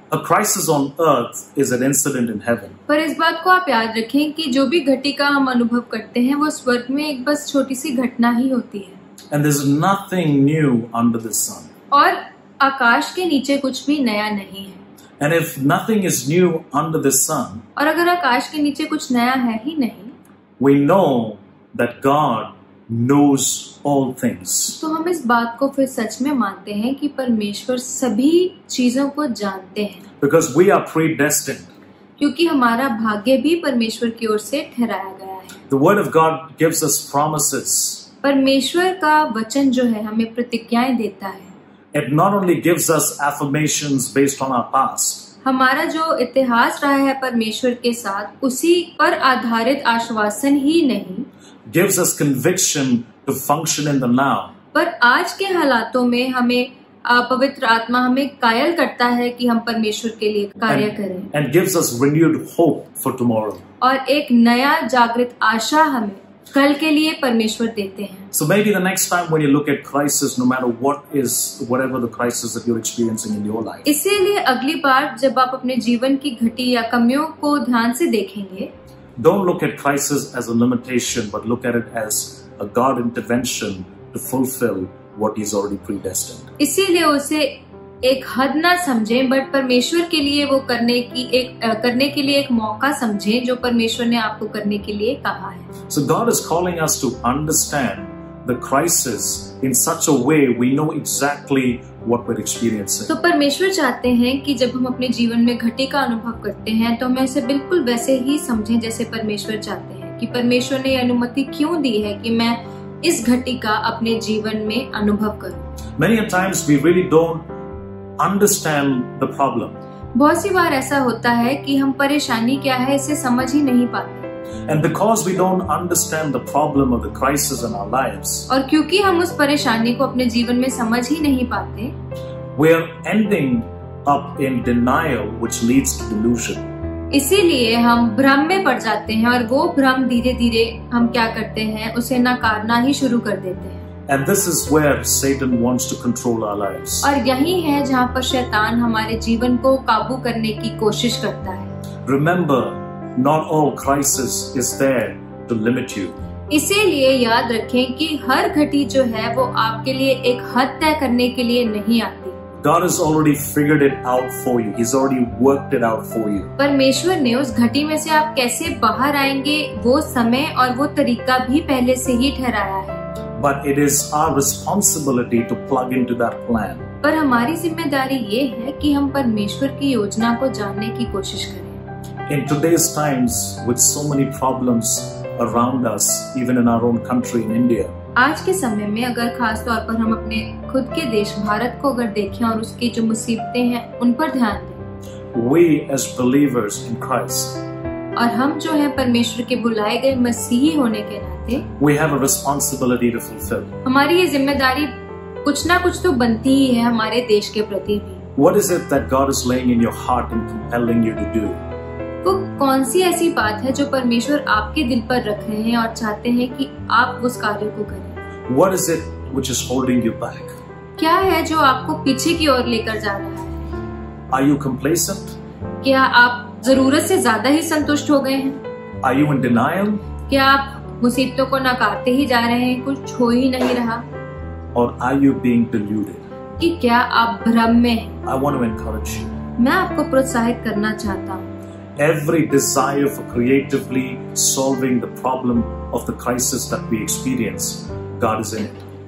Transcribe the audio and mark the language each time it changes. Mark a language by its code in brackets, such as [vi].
[en] A crisis on earth is an incident in heaven. [hi] पर इस बात को आप याद रखें कि जो भी घटी का हम अनुभव करते हैं वो स्वर्ग में एक बस छोटी सी घटना ही होती है. [en] And there's nothing new under the sun. [hi] और आकाश के नीचे कुछ भी नया नहीं है. [en] And if nothing is new under the sun, [hi] और अगर आकाश के नीचे कुछ नया है ही नहीं, [en] we know that God knows all things. [hi] तो हम इस बात को फिर सच में मानते हैं कि परमेश्वर सभी चीजों को जानते हैं. [en] Because we are predestined. [hi] क्योंकि हमारा भाग्य भी परमेश्वर की ओर से ठहराया गया है. [en] The word of God gives us promises. [hi] परमेश्वर का वचन जो है हमें प्रतिज्ञाएं देता है. [en] It not only gives us affirmations based on our past. [hi] हमारा जो इतिहास रहा है परमेश्वर के साथ उसी पर आधारित आश्वासन ही नहीं, [en] gives us conviction to function in the now. [hi] पर आज के हालातों में हमें पवित्र आत्मा हमें कायल करता है कि हम परमेश्वर के लिए कार्य करें. [en] And gives us renewed hope for tomorrow. [hi] और एक नया जागृत आशा हमें कल के लिए परमेश्वर देते हैं. [en] So maybe the next time when you look at crisis, no matter what is, whatever the crisis that you're experiencing in your life. [hi] इसीलिए अगली बार जब आप अपने जीवन की घटी या कमियों को ध्यान से देखेंगे, [en] don't look at crisis as a limitation, but look at it as a God intervention to fulfill what He's already predestined. [hi] इसीलिए उसे एक हद ना समझें, बट परमेश्वर के लिए वो करने के लिए एक मौका समझें जो परमेश्वर ने आपको करने के लिए कहा है. [en] So God is calling us to understand the crisis in such a way we know exactly what we're experiencing. [hi] तो परमेश्वर चाहते हैं कि जब हम अपने जीवन में घटी का अनुभव करते हैं तो हमें उसे बिल्कुल वैसे ही समझें जैसे परमेश्वर चाहते हैं कि परमेश्वर ने अनुमति क्यों दी है कि मैं इस घटी का अपने जीवन में अनुभव करूं. [en] Many a times we really don't understand the problem. [hi] बहुत सी बार ऐसा होता है कि हम परेशानी क्या है इसे समझ ही नहीं पाते. [en] And because we don't understand the problem of the crisis in our lives, [hi] और क्योंकि हम उस परेशानी को अपने जीवन में समझ ही नहीं पाते, [en] we are ending up in denial, which leads to delusion. [hi] इसीलिए हम भ्रम में पड़ जाते हैं और वो भ्रम धीरे-धीरे हम क्या करते हैं उसे नकारना ही शुरू कर देते हैं. [en] And this is where Satan wants to control our lives. [hi] और यही है जहाँ पर शैतान हमारे जीवन को काबू करने की कोशिश करता है. [en] Remember, not all crisis is there to limit you. [hi] इसीलिए याद रखें कि हर घटी जो है वो आपके लिए एक हद तय करने के लिए नहीं आती. [en] God has already figured it out for you. He's already worked it out for you. [hi] परमेश्वर ने उस घटी में से आप कैसे बाहर आएंगे वो समय और वो तरीका भी पहले से ही ठहराया है. [en] But it is our responsibility to plug into that plan. [hi] पर हमारी जिम्मेदारी ये है कि हम परमेश्वर की योजना को जानने की कोशिश करें. [en] In today's times, with so many problems around us, even in our own country in India. [hi] आज के समय में अगर खास तौर पर हम अपने खुद के देश भारत को अगर देखें और उसकी जो मुसीबतें हैं उन पर ध्यान दें. [en] We as believers in Christ. [hi] और हम जो हैं परमेश्वर के बुलाए गए मसीही होने के नाते. [en] We have a responsibility to fulfill. [hi] हमारी ये जिम्मेदारी कुछ ना कुछ तो बनती ही है हमारे देश के प्रति भी. [en] What is it that God is laying in your heart and compelling you to do? [hi] वो कौन सी ऐसी बात है जो परमेश्वर आपके दिल पर रख रहे हैं और चाहते हैं कि आप उस कार्य को करें? [en] What is it which is holding you back? [hi] क्या है जो आपको पीछे की ओर लेकर जा रहा है? [en] Are you complacent? [hi] क्या आप जरूरत से ज्यादा ही संतुष्ट हो गए हैं? [en] Are you in denial? [hi] क्या आप मुसीबतों को नकारते ही जा रहे हैं, कुछ हो ही नहीं रहा? [en] Or are you being deluded? [hi] कि क्या आप भ्रम में हैं? [en] I want to encourage you. [hi] मैं आपको प्रोत्साहित करना चाहता हूँ. [en] Every desire for creatively solving the problem of the crisis that we experience, God is in it.